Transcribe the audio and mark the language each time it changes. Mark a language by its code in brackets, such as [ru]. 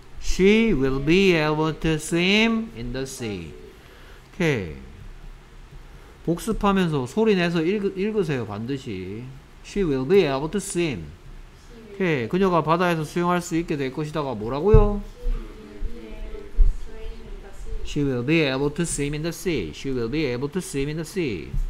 [en] She will be able to swim in the sea. 오케이. [ko] 복습하면서 소리 내서 읽으세요. 반드시. [en] She will be able to swim. 오케이. [ko] 그녀가 바다에서 수영할 수 있게 될 것이다가 뭐라고요? [en] She will be able to swim in the sea. She will be able to swim in the sea.